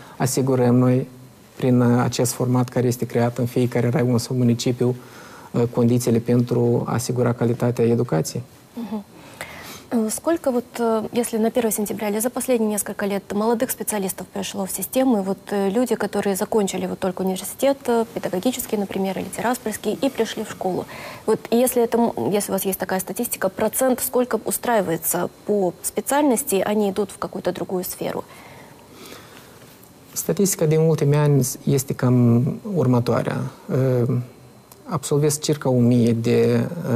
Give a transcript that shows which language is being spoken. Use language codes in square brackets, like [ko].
[ro] Asigurăm noi, prin acest format care este creat în fiecare raion sau municipiu, condițiile pentru a asigura calitatea educației. [ru] Сколько вот, если на 1 сентября или за последние несколько лет молодых специалистов пришло в систему, и вот люди, которые закончили вот только университет, педагогический, например, или тираспольский, и пришли в школу. Вот если это, если у вас есть такая статистика, процент сколько устраивается по специальности, они идут в какую-то другую сферу? [ro] Статистика din ultimii ani este cam următoarea. Absolvesc circa 1000 de